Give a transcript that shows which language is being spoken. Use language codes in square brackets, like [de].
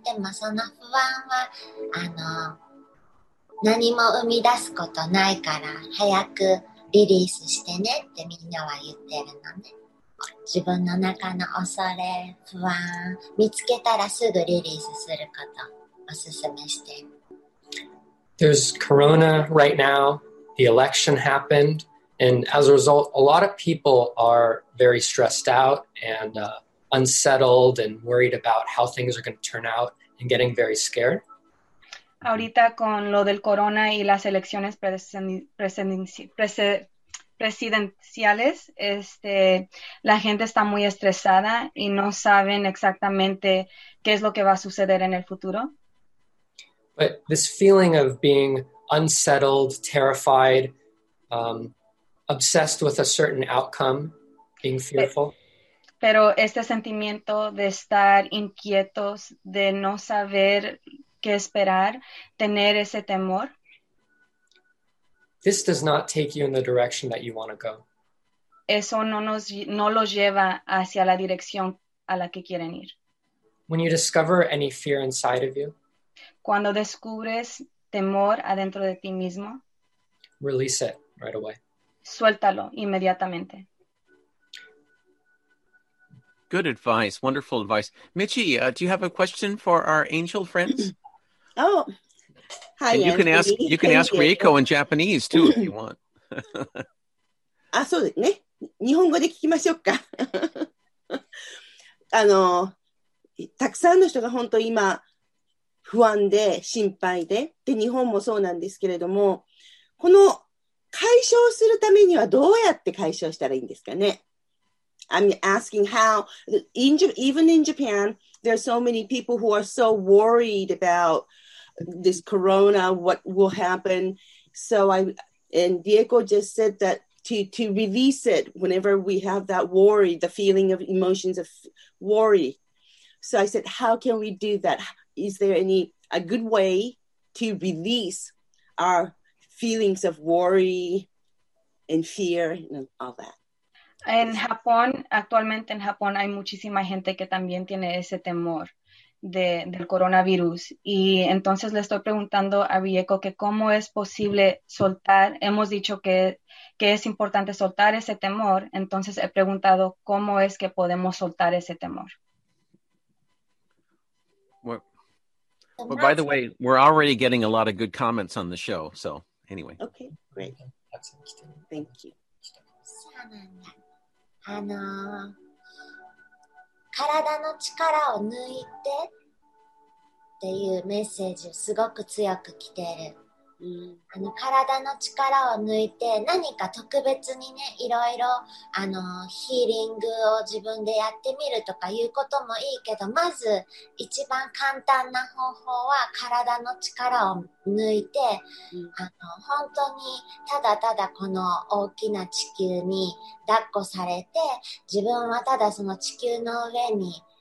[ja] でもその不安は、何も生み出すことないから、早くリリースしてねってみんなは言ってるのね。自分の中の恐れ、不安、見つけたらすぐリリースすることをおすすめして。 [en] there's corona right now. The election happened. And as a result, a lot of people are very stressed out and unsettled and worried about how things are going to turn out and getting very scared. [es] Ahorita con lo del corona y las elecciones presidenciales, la gente está muy estresada y no saben exactamente qué es lo que va a suceder en el futuro. [en] But this feeling of being unsettled, terrified, obsessed with a certain outcome, being fearful. [es] Pero este sentimiento de estar inquietos, de no saber qué esperar, tener ese temor. [en] This does not take you in the direction that you want to go. [es] Eso no los lleva hacia la dirección a la que quieren ir. [en] When you discover any fear inside of you, [es] cuando descubres temor adentro de ti mismo, [en] release it right away. [es] Suéltalo inmediatamente. [en] Good advice. Wonderful advice. Michi, do you have a question for our angel friends? Oh, hi. And you can ask Rieko in Japanese too if you want. [ja] あ、そうですね。日本語で聞きましょうか。あの、たくさんの人が本当今不安で心配で、で日本もそうなんですけれども、この解消するためにはどうやって解消したらいいんですかね。 [en] I'm asking how, even in Japan, there are so many people who are so worried about this corona, what will happen. So and Diego just said that to release it whenever we have that worry, the feeling of emotions of worry. So I said, how can we do that? Is there a good way to release our feelings of worry and fear and all that? [es] En Japón, actualmente en Japón hay muchísima gente que también tiene ese temor del coronavirus. Y entonces le estoy preguntando a Rieko que cómo es posible soltar, hemos dicho que es importante soltar ese temor, entonces he preguntado cómo es que podemos soltar ese temor. [en] Well, by the way, we're already getting a lot of good comments on the show, so anyway. Okay, great. Thank you. [ja] あの、体の力を抜いてっていうメッセージをすごく強く来てる。あの、体の力を抜いて何か特別にね、いろいろあのヒーリングを自分でやってみるとかいうこともいいけど、まず一番簡単な方法は体の力を抜いて、あの、本当にただただこの大きな地球に抱っこされて、自分はただその地球の上に